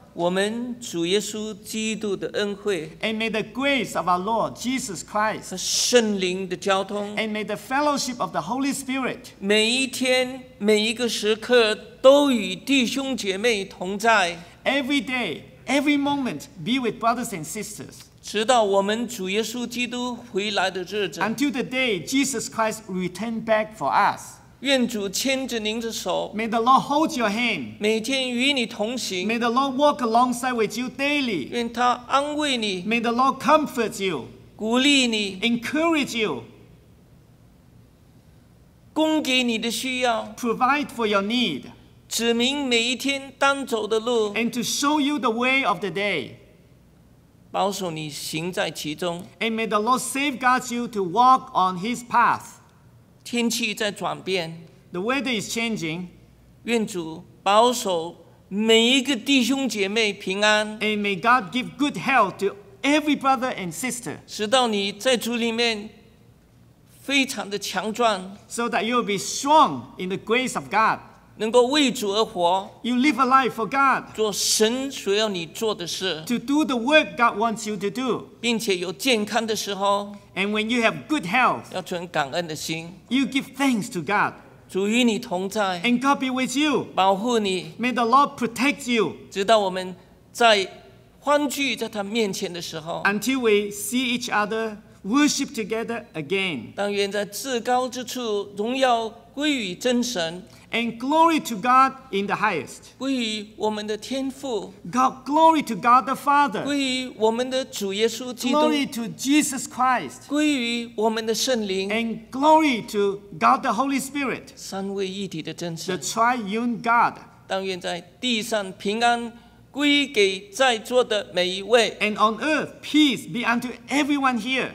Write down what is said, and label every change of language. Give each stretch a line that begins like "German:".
Chinese: 我们主耶稣基督的恩惠，
English: And may the grace of our Lord Jesus Christ,
Chinese: 和圣灵的交通，
English: And may the fellowship of the Holy Spirit,
Chinese: 每一天每一个时刻都与弟兄姐妹同在，
English: Every day, every moment, be with brothers and sisters,
Chinese: 直到我们主耶稣基督回来的日子，
English: Until the day Jesus Christ returns back for us,
Chinese: 愿主牵着您的手。
English: May the Lord hold your hand.
Chinese: 每天与你同行。
English: May the Lord walk alongside with you daily.
Chinese: 愿他安慰你。
English: May the Lord comfort you.
Chinese: 鼓励你。
English: Encourage you.
Chinese: 供给你的需要。
English: Provide for your need.
Chinese: 指明每一天当走的路。
English: And to show you the way of the day.
Chinese: 保守你行在其中。
English: And may the Lord safeguard you to walk on His path.
Chinese: 天气在转变。
English: The weather is changing.
Chinese: 愿主保守每一个弟兄姐妹平安。
English: And may God give good health to every brother and sister.
Chinese: 使到你在主里面非常的强壮。
English: So that you will be strong in the grace of God.
Chinese: 能够为主而活
English: ，You live a life for God，
Chinese: 做神所要你做的事
English: ，To do the work God wants you to do，
Chinese: 并且有健康的时候
English: ，And when you have good health，
Chinese: 要存感恩的心
English: ，You give thanks to God，
Chinese: 主与你同在
English: ，And God be with you，
Chinese: 保护你
English: ，May the Lord protect you，
Chinese: 直到我们在欢聚在他面前的时候
English: ，Until we see each other worship together again，
Chinese: 但愿在至高之处荣耀归于真神。
English: And glory to God in the highest.
Chinese: 归于我们的天父。
English: God, glory to God the Father.
Chinese: 归于我们的主耶稣基督。
English: Glory to Jesus Christ.
Chinese: 归于我们的圣灵。
English: And glory to God the Holy Spirit.
Chinese: 三位一体的真神。
English: The triune God.
Chinese: 但愿在地上平安归给在座的每一位。
English: And on earth, peace be unto everyone here.